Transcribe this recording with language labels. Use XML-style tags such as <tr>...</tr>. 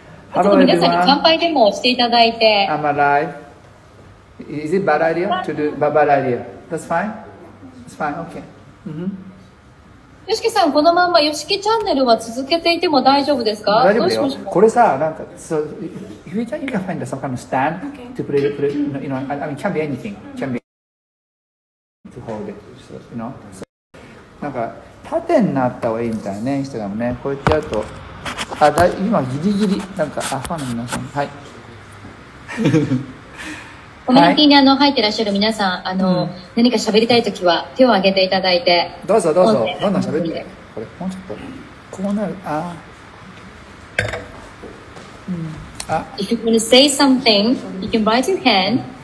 <ja>ハロー、皆さんに乾杯でもしていただいて。</ja> <en>I'm alive. Is it bad idea to do bad idea? That's fine? That's fine, okay.</en> <ja>ヨシキさん、このままヨシキチャンネルは続けていても大丈夫ですか？大丈夫よ。これさ、なんか、</ja> <en>so, if you can, you can find some kind of stand、okay. to play, play, you know, I mean, it can be anything. It can be to hold it, so, you know.、So.</en> <ja>なんか縦になった方がいいみたいなね、インスタグラムね、こうやってやると、あ、だ今ギリギリなんか、あ、ファンの皆さん、はい、コミュニティに入ってらっしゃる皆さん、うん、何か喋りたいときは手を挙げていただいて、どうぞどうぞ、どんどん喋って、これもうちょっとこうなる、あ、</ja> <en>うん、あ、 If you want to say something, you can raise your hand.</en>